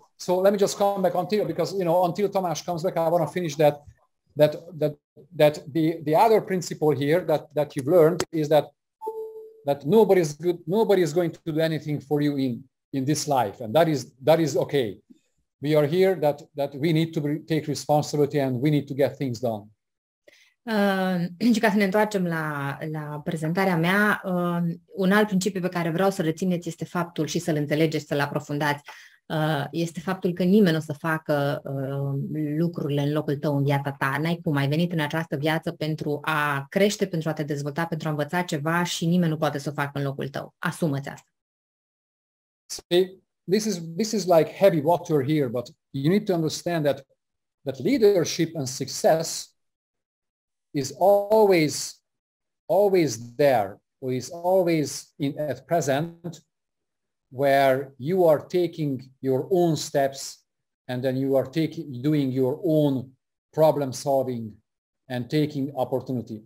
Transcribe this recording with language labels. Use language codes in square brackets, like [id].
[en] So let me just come back until, because, you know, until Tamás comes back, I want to finish that the other principle here that you've learned is that nobody is going to do anything for you in this life. And that is okay. We are here that we need to take responsibility and we need to get things done. [ro] Și ca să ne întoarcem la prezentarea mea, un alt principiu pe care vreau să rețineți este faptul și să-l înțelegeți, să-l aprofundați. Este faptul că nimeni o să facă lucrurile în locul tău în viața ta. N-ai cum, ai venit în această viață pentru a crește, pentru a te dezvolta, pentru a învăța ceva și nimeni nu poate să o facă în locul tău. Asumă-ți asta. [en] See, this is like heavy water here, but you need to understand that leadership and success is always there, or is always at present, where you are taking your own steps, and then you are doing your own problem solving and taking opportunity.